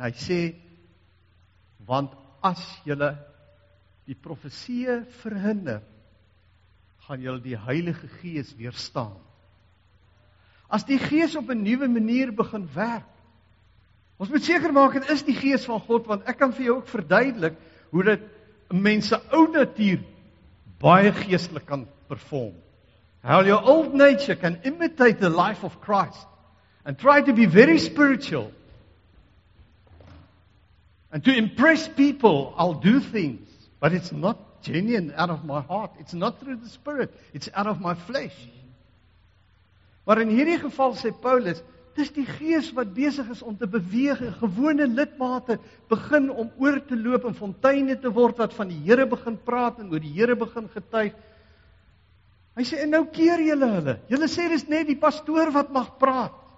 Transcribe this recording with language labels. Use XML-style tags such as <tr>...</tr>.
<af>Hy sê, want as julle die profesieë verhinder, gaan julle die Heilige Gees weerstaan. As die Gees op 'n nuwe manier begin werk, ons moet seker maak, dit is die Gees van God, want ek kan vir jou ook verduidelik, hoe dit mense ou natuur, baie geestelik kan perform.</af> <en>How your old nature can imitate the life of Christ, and try to be very spiritual, and to impress people, I'll do things, but it's not genuine out of my heart, it's not through the Spirit, it's out of my flesh.</en> <af>Maar in hierdie geval sê Paulus, dis die Gees wat besig is om te beweeg en gewone lidmate begin om oor te loop en fonteine te word wat van die Here begin praat en oor die Here begin getuig. Hy sê, en nou keer julle hulle. Julle sê, dis net die pastoor wat mag praat.</af>